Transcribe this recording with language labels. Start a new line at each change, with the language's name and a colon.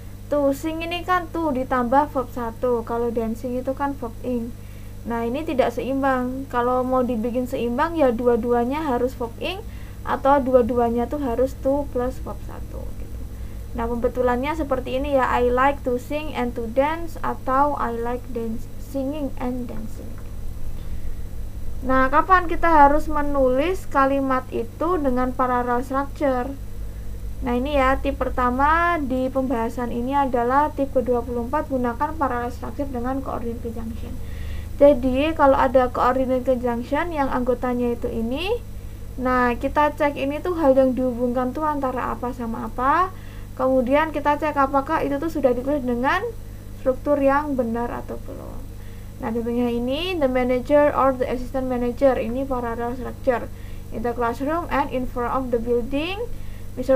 Indonesian: To sing ini kan to ditambah verb 1. Kalau dancing itu kan verb ing. Nah, ini tidak seimbang. Kalau mau dibikin seimbang, ya dua-duanya harus verb ing atau dua-duanya tuh harus to plus verb 1 gitu. Nah, pembetulannya seperti ini ya.
English: I like to sing and to dance atau I like dance singing and dancing.
Indonesian: Nah, kapan kita harus menulis kalimat itu dengan parallel structure? Nah, ini ya, tip pertama di pembahasan ini adalah tip ke-24, gunakan parallel structure dengan coordinate conjunction. Jadi, kalau ada coordinate conjunction yang anggotanya itu ini, nah, kita cek ini tuh hal yang dihubungkan tuh antara apa sama apa. Kemudian kita cek apakah itu tuh sudah ditulis dengan struktur yang benar atau belum. Nah, contohnya ini,
English: the manager or the assistant manager. Ini parallel structure. In the classroom and in front of the building, Mr.